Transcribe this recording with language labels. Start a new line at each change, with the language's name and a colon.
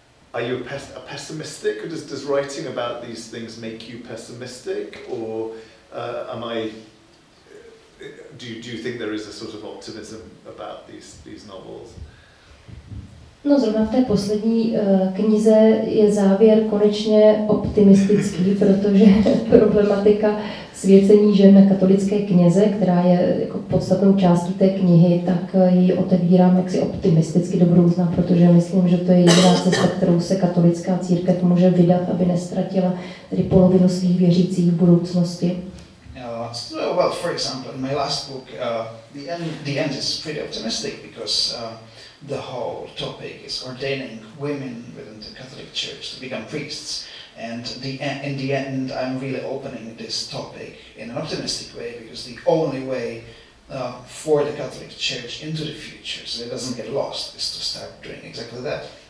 English: Are you a pessimistic? Or does writing about these things make you pessimistic? Or do you think there is a sort of optimism about these novels?
Czech: No, zrovna v té poslední knize je závěr konečně optimistický, protože problematika svěcení žen na katolické kněze, která je jako podstatnou částí té knihy, tak ji otevírám jaksi optimisticky do budoucna, protože myslím, že to je jediná cesta, kterou se katolická církev může vydat, aby nestratila tedy polovinu svých věřících v budoucnosti.
English: Well, for example, in my last book, the end is pretty optimistic because the whole topic is ordaining women within the Catholic Church to become priests, and in the end, I'm really opening this topic in an optimistic way, because the only way for the Catholic Church into the future, so it doesn't get lost, is to start doing exactly that.